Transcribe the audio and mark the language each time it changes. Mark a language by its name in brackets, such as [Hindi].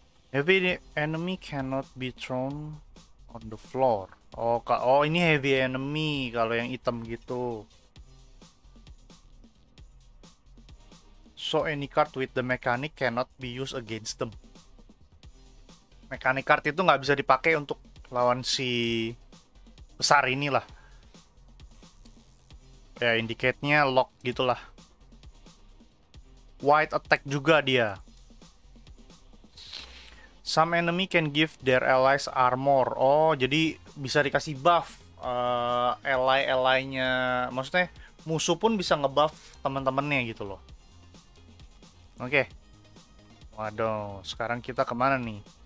[English] Heavy enemy cannot be thrown on the floor. [Indonesian] Oh, ini heavy enemy kalau yang hitam gitu. [English] So any card with the mechanic cannot be used against them. [Indonesian] Mechanic card itu nggak bisa dipakai untuk lawan si besar inilah. Ya, indicate-nya lock gitulah. White attack juga dia. [English] Some enemy can give their allies armor. [Indonesian] Oh, jadi bisa dikasih buff ally-ally-nya. Maksudnya musuh pun bisa ngebuff teman-temannya gitu loh. Oke. Waduh, sekarang kita kemana nih?